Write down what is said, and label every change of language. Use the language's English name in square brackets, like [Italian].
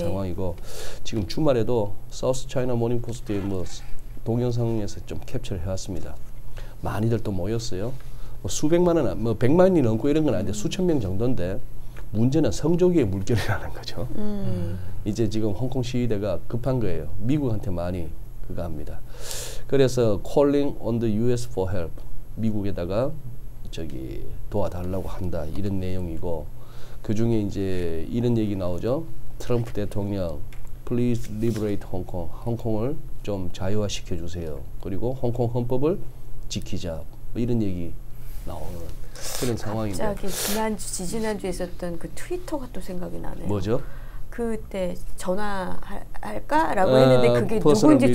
[Korean] 상황이고 지금 주말에도 사우스 차이나 모닝포스트의 뭐 동영상에서 좀 캡처를 해왔습니다. 많이들 또 모였어요. 뭐 수백만 원, 뭐 백만이 넘고 이런 건 아닌데 수천 명 정도인데 문제는 성조기의 물결이라는 거죠. 이제 지금 홍콩 시위대가 급한 거예요. 미국한테 많이 그거 합니다. 그래서 [English] calling on the US for help. [Korean] 미국에다가 저기 도와달라고 한다. 이런 내용이고 그중에 이제 이런 얘기 나오죠. 트럼프 대통령 [English] please liberate Hong Kong. [Korean] 홍콩을 좀 자유화시켜주세요. 그리고 홍콩 헌법을 지키자. 뭐 이런 얘기 나오는 그런 상황인데 갑자기 지난주 지난주에 있었던 그 트위터가 또 생각이 나네요. 뭐죠? 그때 전화할까라고 했는데 그게 누구인지 미팅?